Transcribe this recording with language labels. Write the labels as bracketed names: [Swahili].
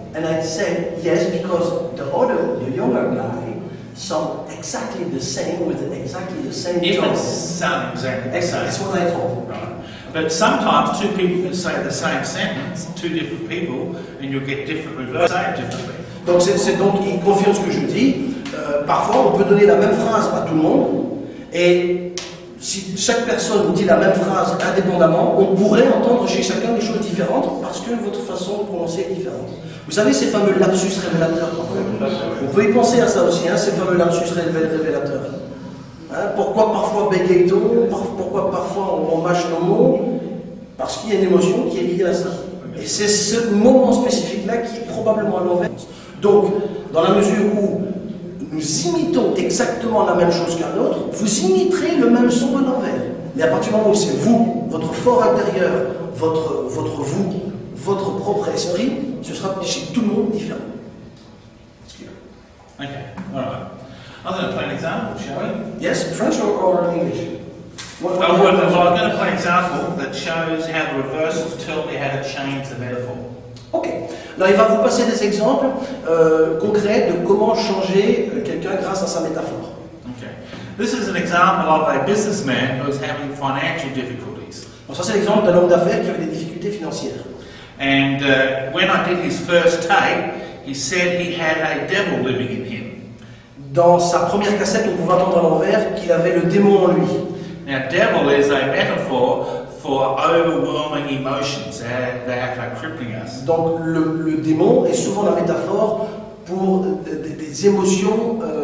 [English] And I said yes, because the younger guy sung exactly the same with exactly the same tone. If it sounds exactly the same. That's what I thought. Right. But sometimes two people can say the same sentence, two different people, and you'll get different reverses. Say it differently. [French] Donc c'est donc il confirme ce que je dis. Parfois on peut donner la même phrase à tout le monde, et si chaque personne dit la même phrase indépendamment, on pourrait entendre chez chacun des choses différentes parce que votre façon de prononcer est différente. Vous savez ces fameux lapsus révélateurs, en fait. Vous pouvez y penser à ça aussi, hein, ces fameux lapsus révélateurs. Hein, pourquoi parfois bégaye-t-on, pourquoi parfois on mâche nos mots. parce qu'il y a une émotion qui est liée à ça. Et c'est ce moment spécifique-là qui est probablement à l'envers. Donc, dans la mesure où nous imitons exactement la même chose qu'un autre, vous imiterez le même son à l'envers. Mais à partir du moment où c'est vous, votre fort intérieur, votre vous, votre propre esprit, ce sera chez tout le monde différent. [English] Okay, all right. I'm going to play an example, shall we? Yes, French or English? Well, I'm going to play an example that shows how the reversals tell me how to change the metaphor. Okay. [French] Alors, il va vous passer des exemples concrets de comment changer quelqu'un grâce à sa métaphore. [English] Okay. This is an example of a businessman who's having financial difficulties. [French] Bon, ça, c'est l'exemple d'un homme d'affaires qui avait des difficultés financières. [English] And when I did his first tape, he said he had a devil living in him. [French] Dans sa première cassette, on pouvait entendre à l'envers qu'il avait le démon en lui. [English] Now, devil is a metaphor for overwhelming emotions that are crippling us. [French] Donc, le démon est souvent la métaphore pour des émotions